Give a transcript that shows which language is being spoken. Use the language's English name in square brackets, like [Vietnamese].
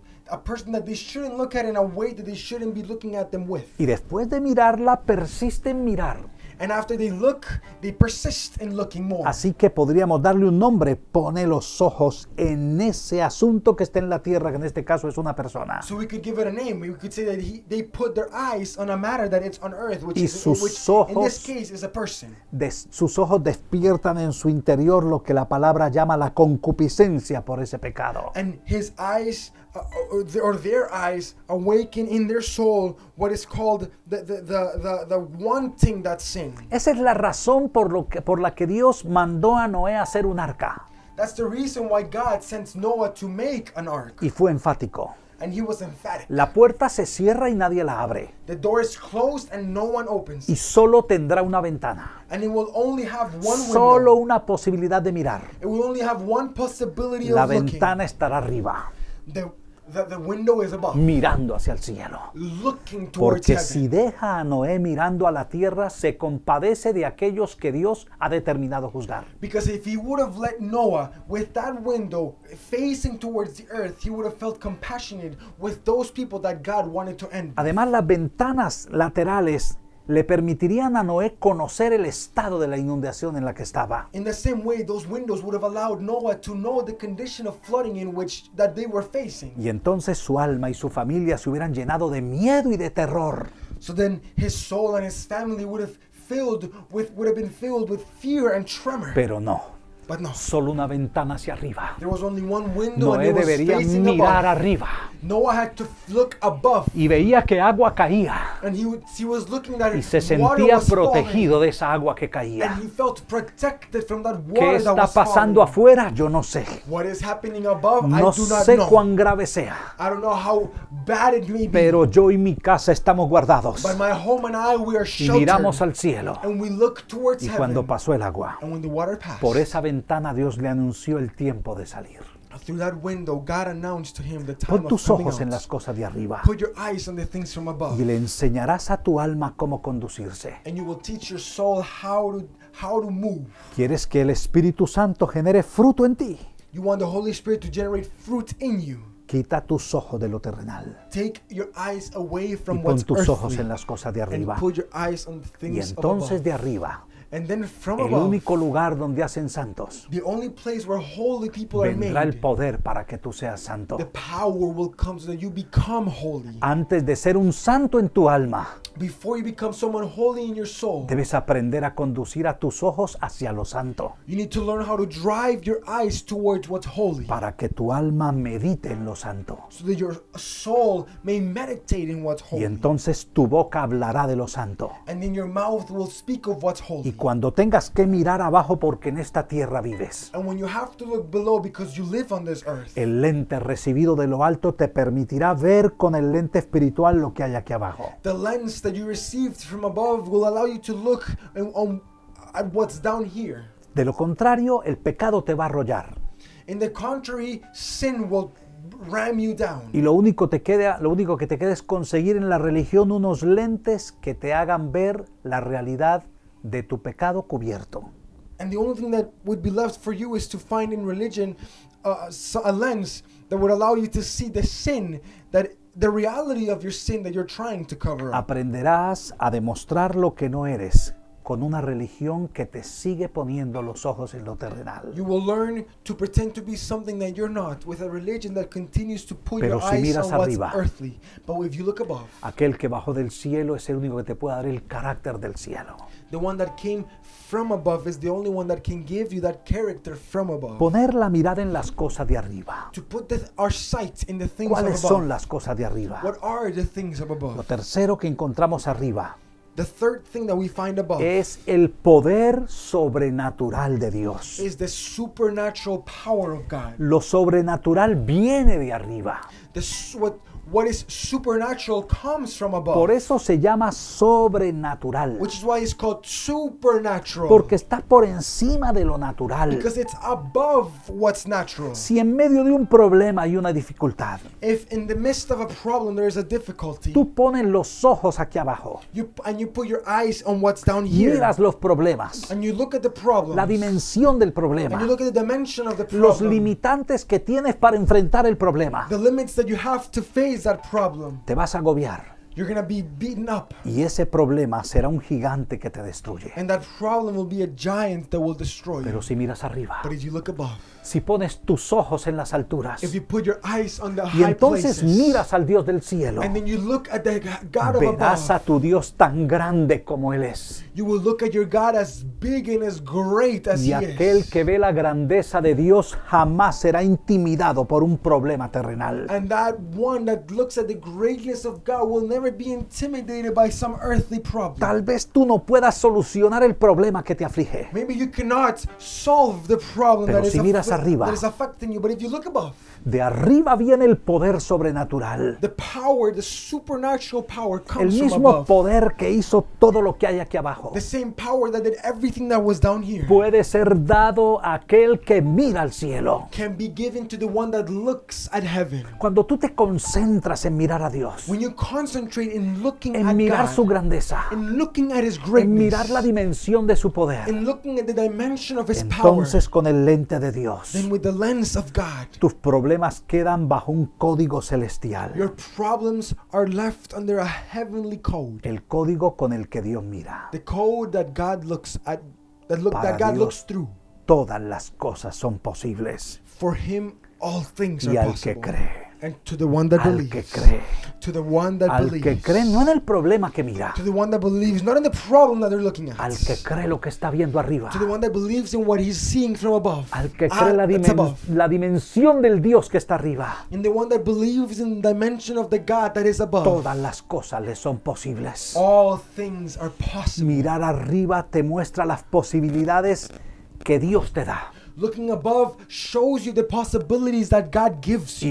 [English] A person that they shouldn't look at in a way that they shouldn't be looking at them with. [Spanish] Y después de mirarla, persiste en mirar. [English] And after they look, they persist in looking more. [Spanish] Así que podríamos darle un nombre. Pone los ojos en ese asunto que está en la tierra, que en este caso es una persona. [English] So we could give it a name. We could say that they put their eyes on a matter that it's on earth, which, [Spanish] y sus [English] which [Spanish] ojos, [English] in this case is a person. [Spanish] Sus ojos despiertan en su interior lo que la palabra llama la concupiscencia por ese pecado. [English] And his eyes... or their eyes awaken in their soul what is called the wanting that sin. [Spanish] Esa es la razón por la que Dios mandó a Noé a hacer un arca. [English] That's the reason why God sent Noah to make an ark. [Spanish] Y fue enfático. [English] And he was emphatic. [Spanish] La puerta se cierra y nadie la abre. [English] The door is closed and no one opens. [Spanish] Y solo tendrá una ventana. [English] And it will only have one [Spanish] solo [English] window. [Spanish] Solo una posibilidad de mirar. [English] It will only have one possibility [Spanish] la [English] of looking. [Spanish] La ventana estará arriba. [English] The window is above. [Spanish] Mirando hacia el cielo. [English] Looking towards [Spanish] Porque [English] heaven. [Spanish] Si deja a Noé mirando a la tierra, se compadece de aquellos que Dios ha determinado juzgar. [English] Because if he would have let Noah with that window facing towards the earth, he would have felt compassionate with those people that God wanted to end. [Spanish] Además, las ventanas laterales le permitirían a Noé conocer el estado de la inundación en la que estaba. [English] In the same way, those windows would have allowed Noah to know the condition of flooding in which that they were facing. [Spanish] Y entonces su alma y su familia se hubieran llenado de miedo y de terror. [English] So then his soul and his family would have been filled with fear and tremor. [Spanish] Pero no. [English] But no. [Spanish] Solo una ventana hacia arriba. [English] There was only one window. [Spanish] Noé debería mirar arriba. [English] Noah had to look above. [Spanish] Y veía que agua caía. [English] And he was looking that [Spanish] y se sentía protegido de esa agua que caía. [English] And he felt protected from that water. [Spanish] ¿Qué está [English] that was [Spanish] pasando [English] falling? [Spanish] Afuera? Yo no sé. [English] What is happening above? [Spanish] No [English] I do not [Spanish] sé [English] know. [Spanish] Cuán grave sea. [English] I don't know how bad it may be. [Spanish] Pero yo y mi casa estamos guardados. [English] But my home and I, we are sheltered. [Spanish] Y miramos al cielo. [English] And we look towards [Spanish] y cuando [English] heaven, [Spanish] pasó el agua. [English] And when the water passed, [Spanish] por esa ventana Dios le anunció el tiempo de salir. [English] Through that window, God announced to him the time of coming out. [Spanish] Pon tus ojos en las cosas de arriba. [English] Put your eyes on the things from above. [Spanish] Y le enseñarás a tu alma cómo conducirse. [English] And you will teach your soul how to move. [Spanish] ¿Quieres que el Espíritu Santo genere fruto en ti? [English] You want the Holy Spirit to generate fruit in you. [Spanish] Quita tus ojos de lo terrenal. [English] Take your eyes away from what's earthly. [Spanish] Y pon tus ojos en las cosas de arriba. [English] And put your eyes on the things above. [Spanish] Y entonces de arriba. [English] And then from [Spanish] el [English] above, [Spanish] único lugar donde hacen santos, [English] the only place where holy people [Spanish] vendrá [English] are made, [Spanish] el poder para que tú seas santo. [English] The power will come so that you become holy. [Spanish] Antes de ser un santo en tu alma, [English] before you become someone holy in your soul, [Spanish] debes aprender a conducir a tus ojos hacia lo santo. [English] You need to learn how to drive your eyes towards what's holy. [Spanish] Para que tu alma medite en lo santo. [English] So that your soul may meditate in what's holy. [Spanish] Y entonces tu boca hablará de lo santo. [English] And then your mouth will speak of what's holy. [Spanish] Y cuando tengas que mirar abajo porque en esta tierra vives, [English] and when you have to look below because you live on this earth, [Spanish] el lente recibido de lo alto te permitirá ver con el lente espiritual lo que hay aquí abajo. [English] The lens that you received from above will allow you to look at what's down here. [Spanish] De lo contrario, el pecado te va a arrollar. [English] In the contrary, sin will ram you down. [Spanish] Y lo único que te queda es conseguir en la religión unos lentes que te hagan ver la realidad de tu pecado cubierto. [English] And the only thing that would be left for you is to find in religion a lens that would allow you to see the sin, that the reality of your sin that you're trying to cover up. [Spanish] Aprenderás a demostrar lo que no eres con una religión que te sigue poniendo los ojos en lo terrenal. [English] You will learn to pretend to be something that you're not with a religion that continues to put [Spanish] pero [English] your [Spanish] si [English] eyes [Spanish] miras [English] on [Spanish] arriba, [English] what's earthly. But if you look above, [Spanish] aquel que bajó del cielo es el único que te puede dar el carácter del cielo. [English] The one that came from above is the only one that can give you that character from above. [Spanish] Poner la mirada en las cosas de arriba. [English] To put our sight in the things [Spanish] ¿cuáles [English] of above? [Spanish] Son las cosas de arriba? [English] What are the things of above? [Spanish] Lo tercero que encontramos arriba. [English] The third thing that we find above. [Spanish] Es el poder sobrenatural de Dios. [English] Is the supernatural power of God. [Spanish] Lo sobrenatural viene de arriba. [English] What is supernatural comes from above. [Spanish] Por eso se llama sobrenatural. [English] Which is why it's called supernatural. [Spanish] Porque está por encima de lo natural. [English] Because it's above what's natural. [Spanish] Si en medio de un problema hay una dificultad, [English] if in the midst of a problem there is a difficulty, [Spanish] tú pones los ojos aquí abajo, [English] and you put your eyes on what's down here, [Spanish] miras los problemas, [English] and you look at the problems, [Spanish] la dimensión del problema, [English] and you look at the dimension of the problem, [Spanish] los limitantes que tienes para enfrentar el problema, [English] the limits that you have to face that problem, [Spanish] te vas a agobiar. [English] You're gonna be beaten up. [Spanish] Y ese problema será un gigante que te destruye. [English] And that problem will be a giant that will destroy [Spanish] pero [English] you. [Spanish] Pero si miras arriba. [English] But if you look above. [Spanish] Si pones tus ojos en las alturas. [English] If you put your eyes on the [Spanish] y [English] high [Spanish] entonces [English] places, [Spanish] miras al Dios del cielo. [English] And then you look at the God of above. [Spanish] Verás a tu Dios tan grande como Él es. [English] You will look at your God as big and as great as [Spanish] y [English] He is. [Spanish] Y aquel que ve la grandeza de Dios jamás será intimidado por un problema terrenal. [English] And that one that looks at the greatness of God will never be intimidated by some earthly problem. [Spanish] Tal vez tú no puedas solucionar el problema que te aflige. [English] Maybe you cannot solve the problem [Spanish] pero [English] that [Spanish] si [English] is [Spanish] miras arriba, [English] that is affecting you, but if you look above, [Spanish] de arriba viene el poder sobrenatural. [English] The power, the supernatural power comes from above. [Spanish] El mismo poder que hizo todo lo que hay aquí abajo. [English] The same power that did everything that was down here. [Spanish] Puede ser dado a aquel que mira al cielo. [English] Can be given to the one that looks at heaven. [Spanish] Cuando tú te concentras en mirar a Dios. [English] When you concentrate concentrate in looking [Spanish] en [English] at [Spanish] mirar [English] God, [Spanish] su grandeza, [English] in looking at his greatness, [Spanish] en mirar la dimensión de su poder, [English] in looking at the dimension of his [Spanish] entonces [English] power, [Spanish] con el lente de Dios, [English] then with the lens of God, [Spanish] tus problemas quedan bajo un código celestial, [English] your problems are left under a heavenly code, [Spanish] el código con el que Dios mira, [English] the code that God looks at, that look, [Spanish] para [English] that God [Spanish] Dios, [English] looks through. [Spanish] Todas las cosas son posibles. [English] For him, all things [Spanish] y [English] are [Spanish] al [English] possible. [Spanish] Que cree. [English] And to the one that [Spanish] al [English] believes. [Spanish] Que cree. [English] To the one that [Spanish] al [English] believes. [Spanish] Que cree, no en el problema que mira. [English] To the one that believes, not in the problem that they're looking at. [Spanish] Al que cree lo que está viendo arriba. [English] To the one that believes in what he's seeing from above. [Spanish] Al que cree la dimensión del Dios que está arriba. [English] In the one that believes in the dimension of the God that is above. [Spanish] Todas las cosas le son posibles. [English] All things are possible. [Spanish] Mirar arriba te muestra las posibilidades que Dios te da. [English] Looking above shows you the possibilities that God gives you.